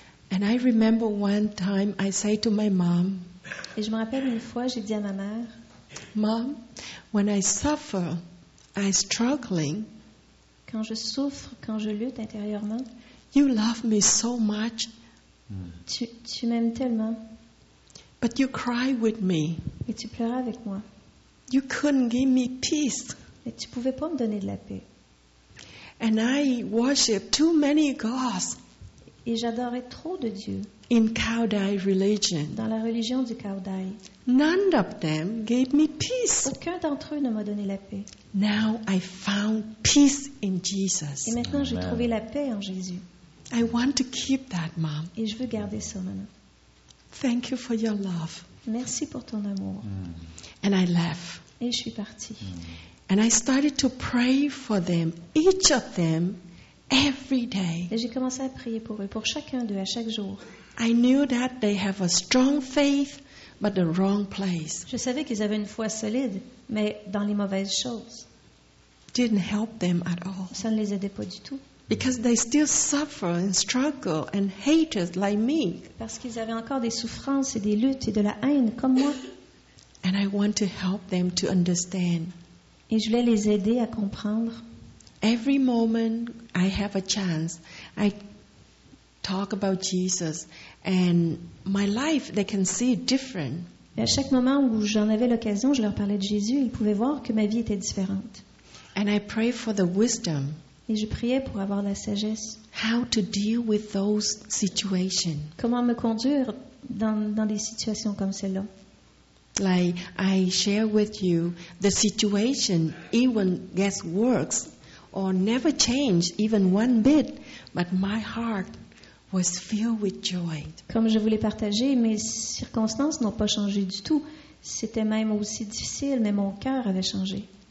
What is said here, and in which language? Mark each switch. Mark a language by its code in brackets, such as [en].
[en] And I remember one time I say to my mom. [fr] Et je me rappelle une fois, j'ai dit à ma mère, [en] Mom, when I suffer, I'm struggling. [fr] Quand je souffre, quand je lutte intérieurement, [en] you love me so much. [fr] Tu m'aimes tellement. [en] But you cry with me. [fr] Et tu pleures avec moi. [en] You couldn't give me peace. [fr] Et tu pouvais pas me donner de la paix. [en] And I worship too many gods. [fr] Et j'adorais trop de Dieu. [en] In Kaudai religion. [fr] Dans la religion du Kaudai. [en] None of them gave me peace. [fr] Aucun d'entre eux ne m'a donné la paix. [en] Now I found peace in Jesus. [fr] Et maintenant j'ai trouvé la paix en Jésus. [en] I want to keep that, Mom. [fr] Et je veux garder ça maintenant. [en] Thank you for your love. [fr] Merci pour ton amour. [en] And I left. [fr] Et je suis partie. [en] And I started to pray for them, each of them, every day. [fr] Et j'ai commencé à prier pour eux, pour chacun d'eux, à chaque jour. [en] I knew that they have a strong faith, but the wrong place. [fr] Je savais qu'ils avaient une foi solide, mais dans les mauvaises choses. [en] Didn't help them at all. [fr] Ça ne les aidait pas du tout. [en] Because they still suffer and struggle and hatred like me. [fr] Parce qu'ils avaient encore des souffrances et des luttes et de la haine comme moi. [en] And I want to help them to understand. [fr] Et je voulais les aider à comprendre. [en] Every moment I have a chance, I talk about Jesus and my life they can see different. [fr] Et à chaque moment où j'en avais l'occasion, je leur parlais de Jésus, ils pouvaient voir que ma vie était différente. [en] And I pray for the wisdom. [fr] Et je priais pour avoir la sagesse. [en] How to deal with those situations. [fr] Comment me conduire dans des situations comme celle-là. [en] Like I share with you, the situation even gets worse or never changed even one bit, but my heart was filled with joy. [fr] Comme je voulais partager, mes circonstances n'ont pas changé du tout. C'était même aussi difficile, mais mon cœur avait changé.